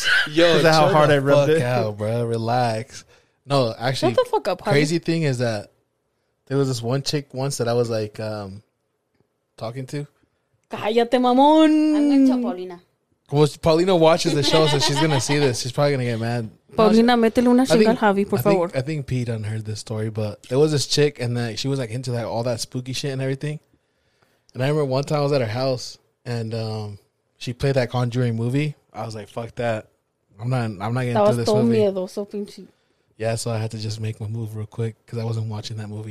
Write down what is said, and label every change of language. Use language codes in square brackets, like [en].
[en] Yo, because of how hard I rubbed it. Out, bro. Relax. No, actually, what the fuck up, crazy thing is that there was this one chick once that I was like talking to. [es] Cállate, mamón. [en] I'm going to Paulina. Well, Paulina watches the show, so she's going to see this. She's probably going to get mad. [es] Paulina, métele una chinga al Javi, por favor. [en] I think Pete unheard this story, but there was this chick, and that she was like into that all that spooky shit and everything. And I remember one time I was at her house, and she played that Conjuring movie. I was like, fuck that. I'm not getting through this movie. Yeah, so I had to just make my move real quick because I wasn't watching that movie.